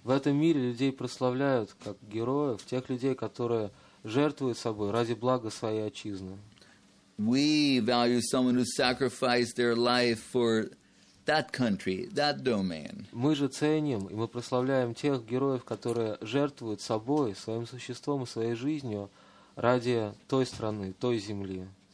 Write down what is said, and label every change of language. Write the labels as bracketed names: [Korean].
[Russian] В этом мире людей прославляют как героев, тех людей, которые жертвуют собой ради блага своей отчизны. [English] We value someone who sacrificed their life for that country, that domain. [Russian] Мы же ценим и мы прославляем тех героев, которые жертвуют собой, своим существом и своей жизнью ради той страны, той земли.